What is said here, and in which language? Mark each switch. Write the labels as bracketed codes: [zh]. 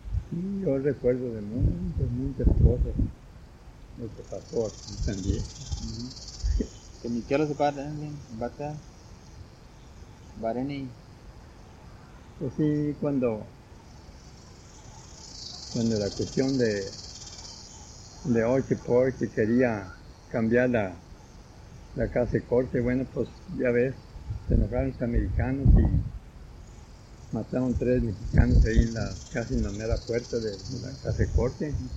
[es] Sí, yo recuerdo de muchas, muchas cosas, lo que pasó aquí también. [en] Can you tell us about anything about that? About any? [es] Pues sí, cuando la cuestión de Ocho Porche quería cambiar la casa de corte, bueno, pues ya ves, se enojaron los americanos y mataron tres mexicanos ahí casi en la mera puerta de la casa de corte.